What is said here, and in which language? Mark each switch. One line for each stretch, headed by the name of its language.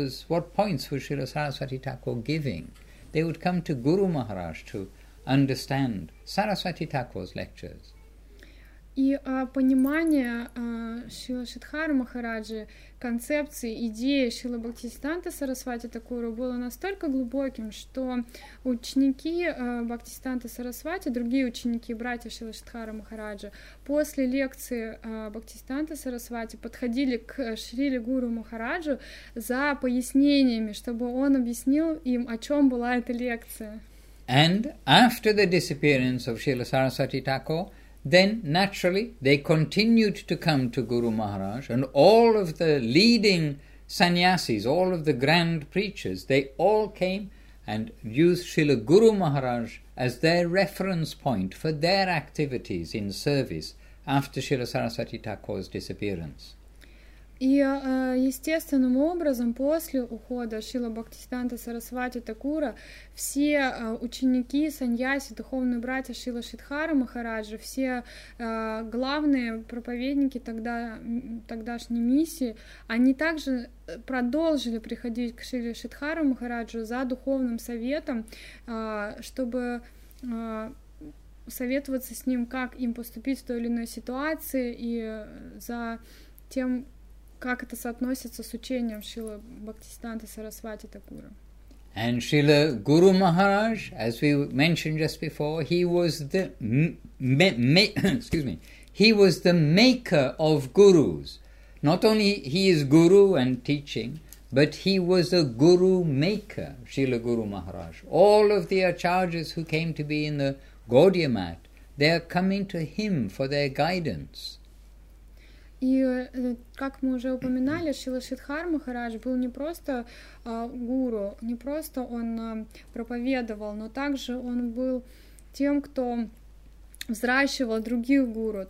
English: What points was Srila Sarasvati Thakur giving? They would come to Guru Maharaj to understand Sarasvati Thakur's lectures.
Russian: И понимание Шрила Шридхара Махараджи, концепции, идеи Шрила Бхактисиддханта Сарасвати Такура было настолько глубоким, что ученики Бхактисиддханта Сарасвати, другие ученики, братья Шрила Шридхара Махараджи, после лекции Бхактисиддханта Сарасвати подходили к Шриле Гуру Махараджу за пояснениями, чтобы он объяснил им, о чем была эта лекция.
English: And after the disappearance of Srila Sarasvati Thakur, then, naturally, they continued to come to Guru Maharaj, and all of the leading sannyasis, all of the grand preachers, they all came and used Srila Guru Maharaj as their reference point for their activities in service after Srila Sarasvati Thakur's disappearance.
Russian: И естественным образом после ухода Шрила Бхактисиддханта Сарасвати Такура все ученики, саньяси, духовные братья Шрила Шридхара Махараджа, все главные проповедники тогдашней миссии, они также продолжили приходить к Шриле Шридхару Махараджу за духовным советом, чтобы советоваться с ним, как им поступить в той или иной ситуации и за тем, как это соотносится с учением Шрилы Бхактисиддханты Сарасвати Такура.
English: And Srila Guru Maharaj, as we mentioned just before, he was the maker of gurus. Not only he is guru and teaching, but he was a guru maker, Srila Guru Maharaj. All of the acharyas who came to be in the Gaudiya Math, they are coming to him for their guidance.
Russian: И, как мы уже упоминали, Шрила Шридхар Махарадж был не просто гуру, не просто он проповедовал, но также он был тем, кто взращивал других гуру.